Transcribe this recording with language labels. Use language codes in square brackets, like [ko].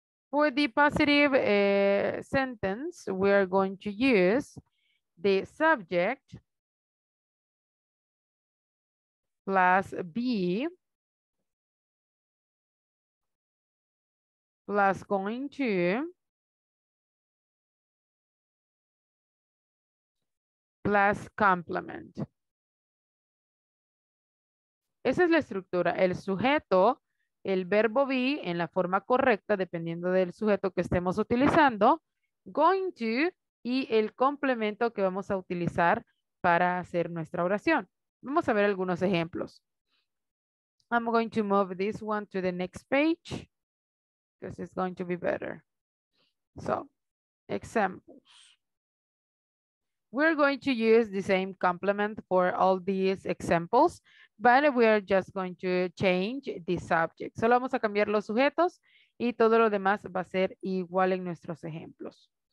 [en] For the positive sentence, we are going to use the subject plus be plus going to plus complement. [es] Esa es la estructura, el sujeto, el verbo be en la forma correcta, dependiendo del sujeto que estemos utilizando, going to y el complemento que vamos a utilizar para hacer nuestra oración. Vamos a ver algunos ejemplos. [en] I'm going to move this one to the next page because it's going to be better. So, examples. We're going to use the same complement for all these examples, but we are just going to change the subject. Solo vamos a cambiar los sujetos y todo lo demás va a ser igual en nuestros ejemplos.